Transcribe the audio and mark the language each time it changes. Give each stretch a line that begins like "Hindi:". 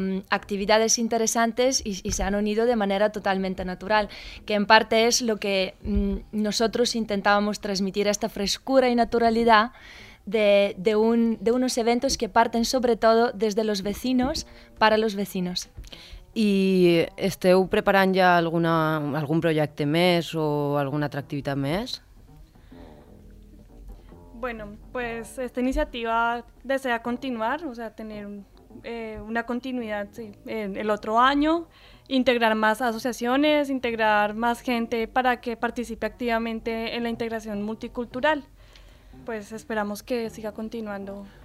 Spanish: actividades interesantes y se han unido de manera totalmente natural, que en parte es lo que nosotros intentábamos transmitir, esta frescura y naturalidad de unos eventos que parten sobre todo desde los vecinos para los vecinos.
Catalan: ¿Y esteu preparant ja algun projecte més o alguna altra activitat més?
Spanish: Bueno, pues esta iniciativa desea continuar, o sea, tener una continuidad, sí, en el otro año, integrar más asociaciones, integrar más gente para que participe activamente en la integración multicultural. Pues esperamos que siga continuando.